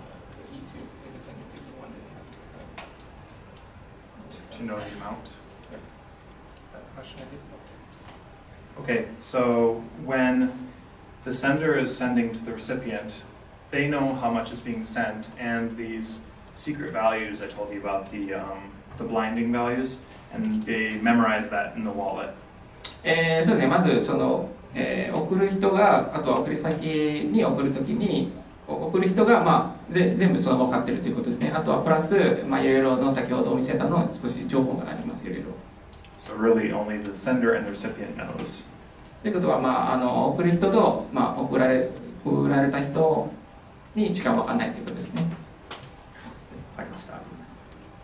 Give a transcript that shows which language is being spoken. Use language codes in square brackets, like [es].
[en] So E2 if it's sending E2, one to know the amount. Is that the question? I think so. Okay, so when the sender is sending to the recipient, they know how much is being sent, and these secret values I told you about, the blinding values, and they memorize that in the wallet. [ja] そうですね、まずその、送る人が、あとは送り先に送るときに、送る人が、まあ、全部その分かってるということですね。あとはプラス、まあ、いろいろの先ほどお見せしたの少し情報がありますいろいろ。 [en] So really, only the sender and the recipient knows. [ja] ということは、まあ、あの送る人と、まあ、送られた人にしか分からないということですね。わかりました。ありがとうございます。